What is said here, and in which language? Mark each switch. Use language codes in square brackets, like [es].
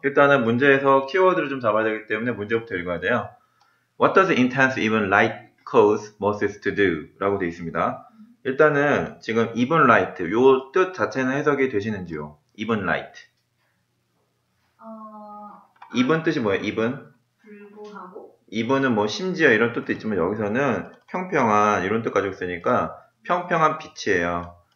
[ko] 일단은 문제에서 키워드를 좀 잡아야 되기 때문에 문제부터 읽어야 돼요. [en] What does intense even light cause Moses to do? [ko] 라고 되어 있습니다. 일단은 지금 even light, 요뜻 자체는 해석이 되시는지요? [en] even light. [ko] even 뜻이 뭐예요? even? even은 뭐 심지어 이런 뜻도 있지만 여기서는 평평한 이런 뜻 가지고 쓰니까 평평한 빛이에요.